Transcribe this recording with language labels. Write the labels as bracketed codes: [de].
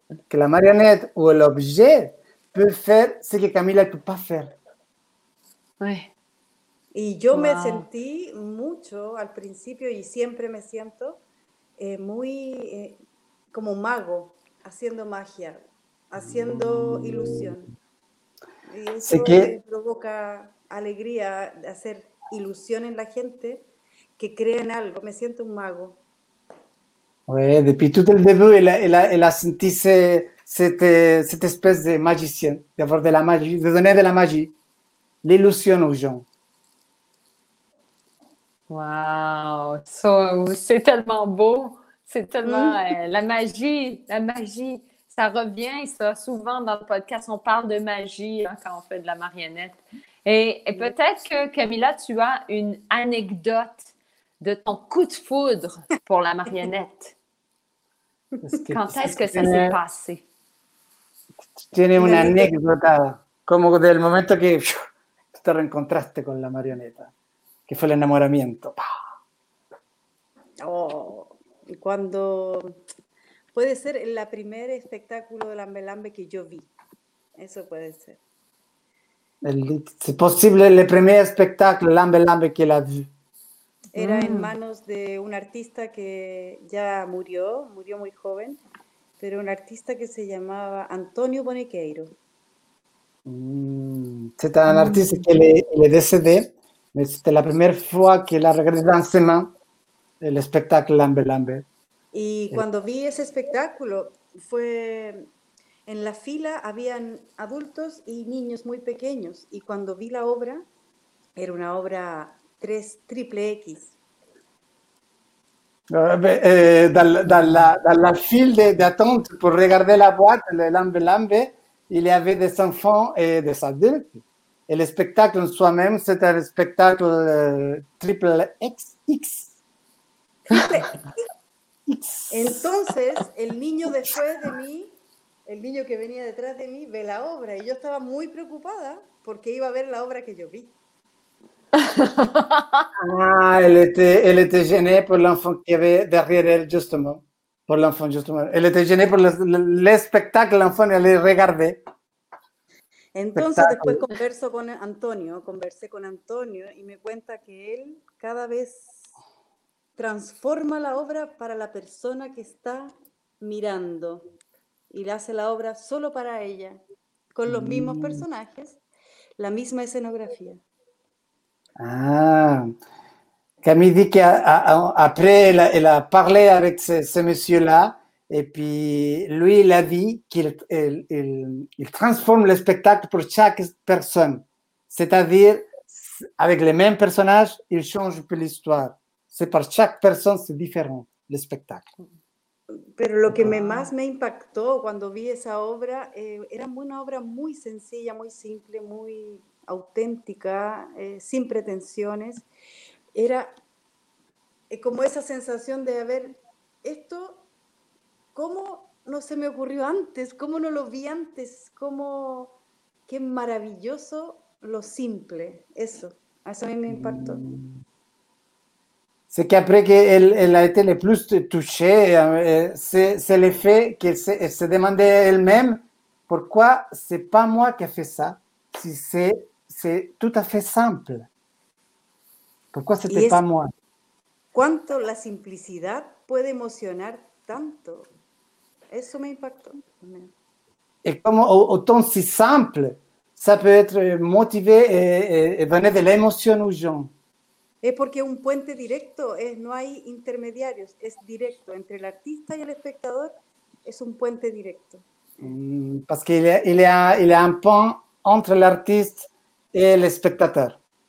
[fr] Que la marionnette, ou l'objet peut faire ce que Camila ne peut pas faire. Oui. [es] Y yo wow. Me sentí mucho al principio y siempre me siento muy como mago, haciendo magia, haciendo ilusión. Y eso que provoca alegría, hacer ilusión en la gente que cree en algo. Me siento un mago. [fr] Oui, depuis tout le début, elle a senti cette espèce de magicien, d'avoir de la magie, de donner de la magie, l'illusion aux gens. Wow, so, c'est tellement beau, c'est tellement la magie, ça revient ça, souvent dans le podcast, on parle de magie hein, quand on fait de la marionnette. Et peut-être que Camila, tu as une anecdote de ton coup de foudre pour la marionnette. Quand est-ce que ça s'est passé? Tu as une anecdote, comme du moment que tu [es] te rencontraste [fr] avec la marionnette. [es] Que fue el enamoramiento. Oh, cuando puede ser el primer espectáculo de Lambe Lambe que yo vi. Eso puede ser. Es posible el primer espectáculo de Lambe Lambe que la vi. Era en manos de un artista que ya murió muy joven, pero un artista que se llamaba Antonio Boniqueiro. [fr] C'est un artista que le décédé. Mais c'était la première fois qu'elle a regardé dans ses mains le spectacle Lambe Lambe. [es] Y cuando vi ese espectáculo, fue en la fila, habían adultos y niños muy pequeños. Y cuando vi la obra, era una obra 3XX. [fr] Dans la file d'attente pour regarder la boîte, le Lambe Lambe, il y avait des enfants et des adultes. Et le spectacle en soi-même, c'est un spectacle triple XX. [es] Entonces, el niño después de mí, el niño que venía detrás de mí, ve la obra. Y yo estaba muy preocupada porque iba a ver la obra que yo vi. [fr] Ah, elle était gênée [es] por [fr] l'enfant [es] que había [fr] derrière elle, justement. [es] Por [fr] l'enfant, justement. Elle était gênée [es] por [fr] le spectacle, l'enfant, elle regardait. [es] Entonces después conversé con Antonio y me cuenta que él cada vez transforma la obra para la persona que está mirando y le hace la obra solo para ella, con los mismos personajes, la misma escenografía. [fr] Ah, Camille dit que après elle a parlé avec ce monsieur-là. Et puis, lui, il a dit qu'il transforme le spectacle pour chaque personne. C'est-à-dire, avec les mêmes personnages, il change plus l'histoire. C'est par chaque personne, c'est différent, le spectacle. [es] Pero lo que más me impactó cuando vi esa obra, era una obra muy sencilla, muy simple, muy auténtica, sin pretensiones. Era como esa sensación de haber, esto... ¿Cómo no se me ocurrió antes? ¿Cómo no lo vi antes? ¿Cómo? Qué maravilloso lo simple. Eso a mí me impactó. [fr] C'est qu'après qu'elle a été le plus touchée, c'est le fait qu'elle se demandait elle-même pourquoi c'est pas moi qui ai fait ça, si c'est tout à fait simple. Pourquoi c'était pas moi? [es] ¿Cuánto la simplicidad puede emocionar tanto? Eso me impactó. [fr] Et comme autant si simple, ça peut être motivé et venir de l'émotion aux gens. [es] Es porque un puente directo, no hay intermediarios, es directo entre el artista y el espectador, es un puente directo. [fr] Parce qu'il y a un pont entre l'artiste et le spectateur.